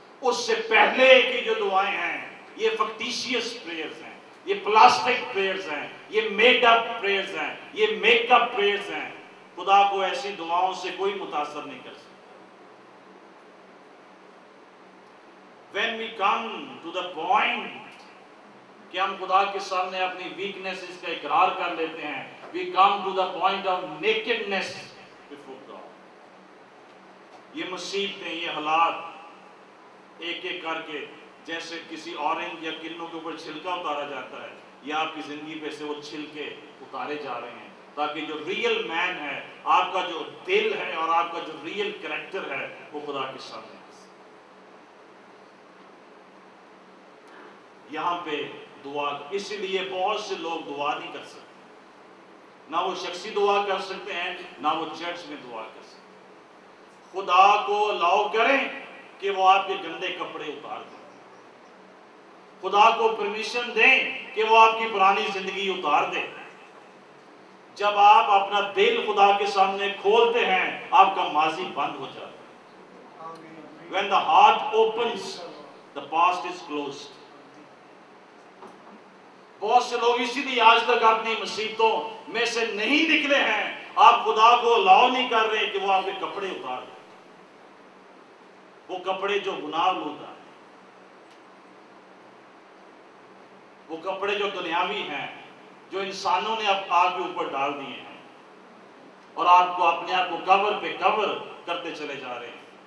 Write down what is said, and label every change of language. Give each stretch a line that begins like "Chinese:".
Urdu: اس سے پہلے کی جو دعائیں ہیں یہ
English: fictitious prayers
Urdu: ہیں، یہ
English: plastic prayers
Urdu: ہیں، یہ
English: made up prayers
Urdu: ہیں، یہ
English: make up prayers
Urdu: ہیں. خدا کو ایسی دعاؤں سے کوئی متاثر نہیں کر سکتا.
English: When we come to the point
Urdu: کہ ہم خدا کے سامنے اپنی ویکنیسز کا اقرار کر لیتے ہیں،
English: we come to the point of nakedness before God.
Urdu: یہ مصیبتیں، یہ حالات ایک ایک کر کے جیسے کسی اورنج یا کلنوں کے اوپر چھلکا اتارا جاتا ہے، یہ آپ کی زندگی پہ سے وہ چھلکے اتارے جا رہے ہیں تاکہ جو ریئل مین ہے، آپ کا جو دل ہے اور آپ کا جو ریئل کریکٹر ہے وہ خدا کے سامنے. یہاں پہ دعا، اس لیے بہت سے لوگ دعا نہیں کر سکتے، نہ وہ شخصی دعا کر سکتے ہیں نہ وہ چرچ میں دعا کر سکتے. خدا کو الاؤ کریں کہ وہ آپ کے گندے کپڑے اتار دیں، خدا کو پرمیشن دیں کہ وہ آپ کی پرانی زندگی اتار دے. جب آپ اپنا دل خدا کے سامنے کھولتے ہیں آپ کا ماضی بند ہو جاتا ہے.
English: When the heart opens the past is closed.
Urdu: بہت سے لوگ اسی لیے آج تک اپنی مصیبتوں میں سے نہیں نکلے ہیں، آپ خدا کو الاؤ نہیں کر رہے کہ وہ آپ کے کپڑے اتار دے، وہ کپڑے جو گناہ ہوتا ہے، وہ کپڑے جو دنیاوی ہیں جو انسانوں نے آپ کے اوپر ڈال دیے ہیں اور آپ کو اپنے آپ کو کور پہ کور کرتے چلے جا رہے ہیں.